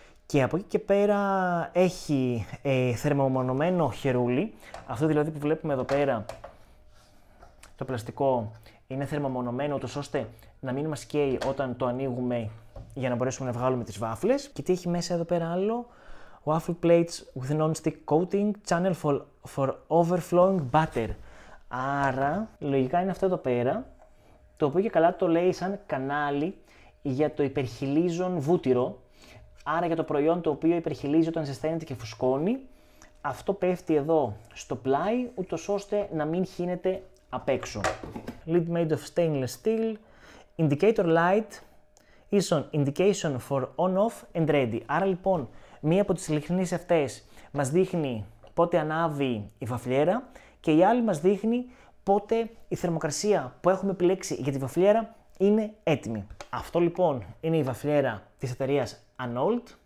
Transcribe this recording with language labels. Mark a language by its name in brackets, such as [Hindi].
[Greek] Και από εκεί και πέρα έχει θερμομονωμένο χερούλι. Αυτό δηλαδή που βλέπουμε εδώ πέρα, το πλαστικό, είναι θερμομονωμένο ούτως ώστε να μην μας καίει όταν το ανοίγουμε για να μπορέσουμε να βγάλουμε τις βάφλες. Και τι έχει μέσα εδώ πέρα άλλο? [English] Waffle plates with non-stick coating, channel for overflowing butter. [Greek] Άρα, λογικά είναι αυτό εδώ πέρα, το οποίο και καλά το λέει σαν κανάλι για το υπερχυλίζον βούτυρο. Άρα για το προϊόν το οποίο υπερχυλίζει όταν ζεσταίνεται και φουσκώνει, αυτό πέφτει εδώ στο πλάι, ούτως ώστε να μην χύνεται απ' έξω. [English] Lid made of stainless steel, indicator light, ίσον indication for on off and ready. [Greek] Άρα λοιπόν, μία από τις λιχνίες αυτές μας δείχνει πότε ανάβει η βαφλιέρα και η άλλη μας δείχνει πότε η θερμοκρασία που έχουμε επιλέξει για τη βαφλιέρα είναι έτοιμη. Αυτό λοιπόν είναι η βαφλιέρα της εταιρείας Anolt.